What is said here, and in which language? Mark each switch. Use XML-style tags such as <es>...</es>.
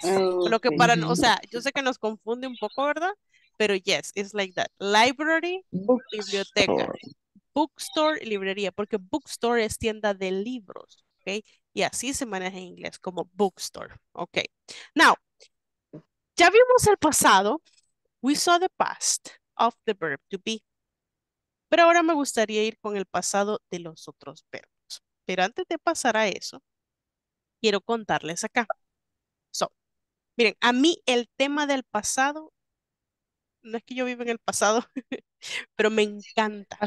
<es>Oh, lo que para, o sea, yo sé que nos confunde un poco, ¿verdad?</es> <en>Pero yes, it's like that. Library, bookstore.</en> <es>Biblioteca. Bookstore, librería. Porque bookstore es tienda de libros. ¿Ok? Y así se maneja en inglés, como bookstore. ¿Ok? Now, ya vimos el pasado.</es> <en>We saw the past of the verb to be.</en> <es>Pero ahora me gustaría ir con el pasado de los otros verbos. Pero antes de pasar a eso, quiero contarles acá. So, miren, a mí el tema del pasado, no es que yo viva en el pasado, pero me encanta.</es>